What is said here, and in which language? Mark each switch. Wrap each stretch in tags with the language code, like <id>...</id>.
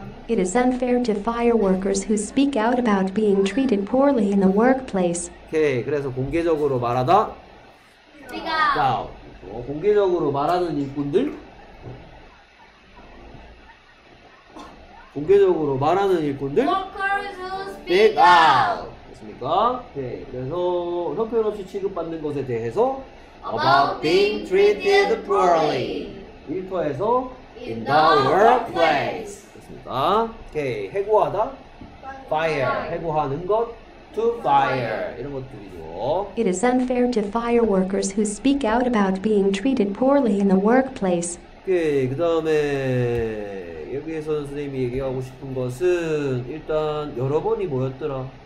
<en>It is unfair to fire workers who speak out about being treated poorly in the workplace.</en> <ko>Okay, 그래서 공개적으로 말하다.</ko> <en>Speak out.</en> <ko>자, 공개적으로 말하는 일꾼들. 공개적으로 말하는 일꾼들.</ko> <en>Workers who speak out.</en> <ko>됐습니까? Okay, 그래서 형편없이 취급받는 것에 대해서</ko> <en>about being treated poorly.</en> <ko>일터에서</ko> <en>in the workplace.</en> <ko>됐습니다. Okay. 해고하다.</ko> <en>Fire.</en> <ko>해고하는 것.</ko> <en>To fire.</en> <ko>이런 것들이죠.</ko> <en>It is unfair to fire workers who speak out about being treated poorly in the workplace. Okay.</en> <ko>그 다음에 여기에서 선생님이 얘기하고 싶은 것은 일단 여러 번이 뭐였더라?</ko>